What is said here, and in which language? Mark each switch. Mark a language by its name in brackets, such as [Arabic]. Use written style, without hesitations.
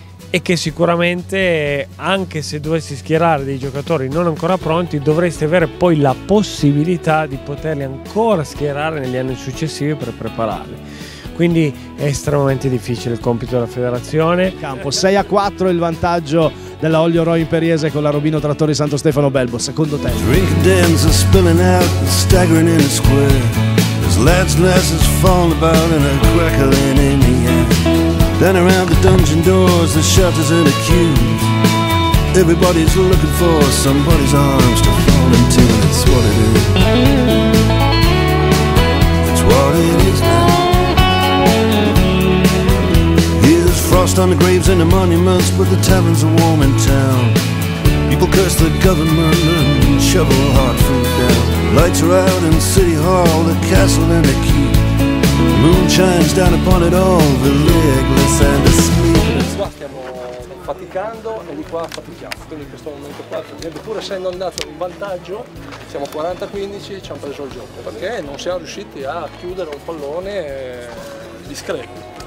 [Italian] E che sicuramente, anche se dovessi schierare dei giocatori non ancora pronti, dovresti avere poi la possibilità di poterli ancora schierare negli anni successivi per prepararli. Quindi è estremamente difficile il compito della federazione. Campo 6-4 il vantaggio della Olio Roy Imperiese con la Robino Trattori Santo Stefano Belbo, secondo tempo. [English] Drink dens are spilling out and staggering in the square. There's lads and lasses falling about and a crackling in the air. Then around the dungeon doors, the shutters and the queues. Everybody's looking for somebody's arms to fall into. It's what it is. It's what it is now. Frost on the graves and the monuments, but the taverns are warm in town. People curse the government and shovel hard food down. Lights are out in City Hall, the castle and the keep. The moon shines down upon it all, the legless and the sleep. [Italian] Qua stiamo faticando e di qua fatichiamo, quindi in questo momento qua, pur essendo andato in vantaggio, siamo 40-15, ci hanno preso il gioco, perché non siamo riusciti a chiudere un pallone discreto.